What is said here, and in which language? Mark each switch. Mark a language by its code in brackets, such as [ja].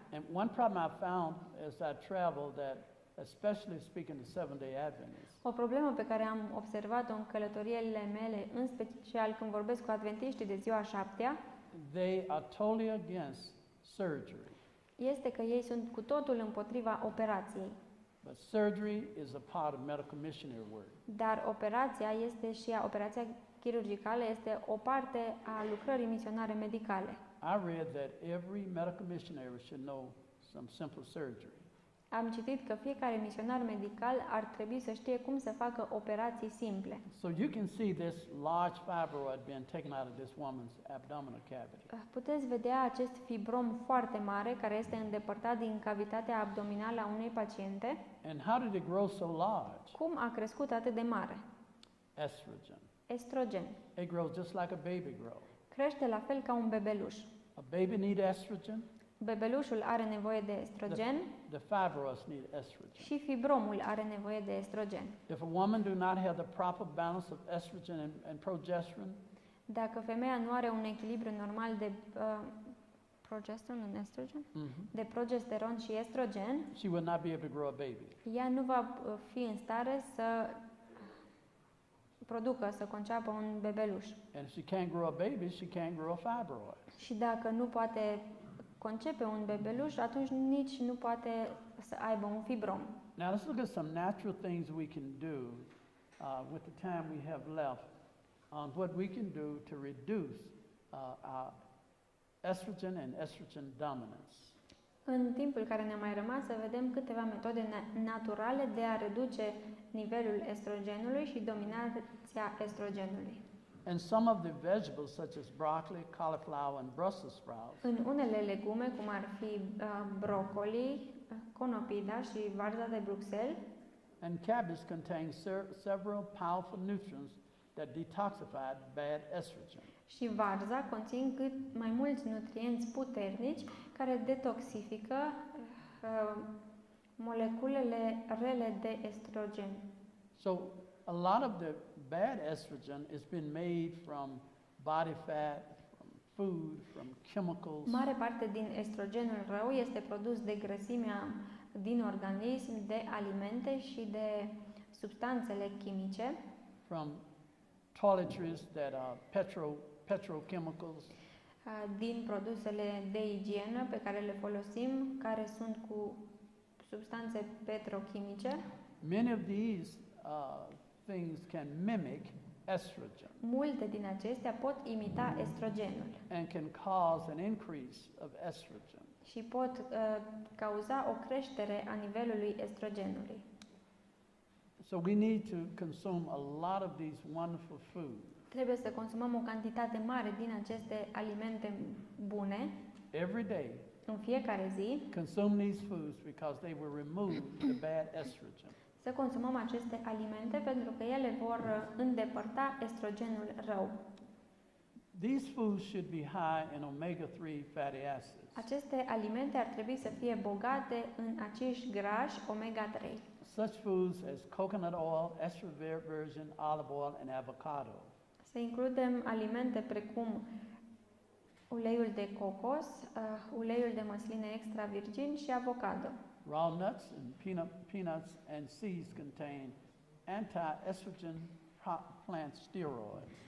[en] And one problem I found as I traveled that, especially speaking to Seventh-day Adventists. [ro] O problemă pe care am observat-o în călătoriile mele, în special când vorbesc cu adventiștii de ziua șaptea, [en] they are totally against surgery. [ro] Este că ei sunt cu totul împotriva operației. [en] But surgery is a part of medical missionary work. [ro] Dar operația chirurgicală este o parte a lucrării misionare medicale. [en] I read that every medical missionary should know some simple surgery. [ro] Am citit că fiecare misionar medical ar trebui să știe cum să facă operații simple. [en] So you can see this large fibroid being taken out of this woman's abdominal cavity. [ro] Puteți vedea acest fibrom foarte mare care este îndepărtat din cavitatea abdominală a unei paciente. [en] And how did it grow so large? [ro] Cum a crescut atât de mare? [en] Estrogen. [ro] Estrogen. [en] It grows just like a baby grows. [ro] Crește la fel ca un bebeluș. [en] A baby need estrogen? [ro] Bebelușul are nevoie de estrogen. [en] The fibroids need estrogen. [ro] Și fibromul are nevoie de estrogen. [en] If a woman do not have the proper balance of estrogen and progesterone, [ro] dacă femeia nu are un echilibru normal de [en] progesterone and estrogen, [ro] de progesteron și estrogen, [en] she will not be able to grow a baby. [ro] Ea nu va fi în stare să producă, să conceapă un bebeluș. [en] And if she can't grow a baby, she can't grow a fibroid. [ro] Și dacă nu poate concepe un bebeluș, atunci nici nu poate să aibă un fibrom. [en] Now let's look at some natural things we can do with the time we have left on what we can do to reduce our estrogen and estrogen dominance. [ro] În timpul care ne-a mai rămas, să vedem câteva metode naturale de a reduce nivelul estrogenului și dominanța estrogenului. [en] And some of the vegetables such as broccoli, cauliflower and Brussels sprouts. [ro] În unele legume cum ar fi broccoli, conopida și varza de Bruxelles. [en] And cabbage contains several powerful nutrients that detoxify bad estrogen. [ro] Și varza conține cât mai mulți nutrienți puternici care detoxifică moleculele rele de estrogen. [en] So a lot of the bad estrogen has been made from body fat, from food, from chemicals. [ro] Mare parte din estrogenul rău este produs de grăsimea din organism, de alimente și de substanțele chimice. [en] From toiletries that are petrochemicals. [ro] Din produsele de igienă pe care le folosim, care sunt cu substanțe petrochimice. [en] Many of these things can mimic estrogen. [ro] Multe din acestea pot imita estrogenul. [en] And can cause an increase of estrogen. [ro] Și pot cauza o creștere a nivelului estrogenului. [en] So we need to consume a lot of these wonderful foods. [ro] Trebuie să consumăm o cantitate mare din aceste alimente bune. [en] Every day. [ro] În fiecare zi. [en] Consume these foods because they will remove the bad estrogen. [ro] Să consumăm aceste alimente pentru că ele vor îndepărta estrogenul rău. [en] These foods should be high in omega-3 fatty acids. [ro] Aceste alimente ar trebui să fie bogate în acești grași omega-3. [en] Such foods as coconut oil, extra virgin olive oil and avocado. [ro] Să includem alimente precum uleiul de cocos, uleiul de măsline extra virgin și avocado. [en] Raw nuts and peanuts and seeds contain anti-estrogen plant steroids.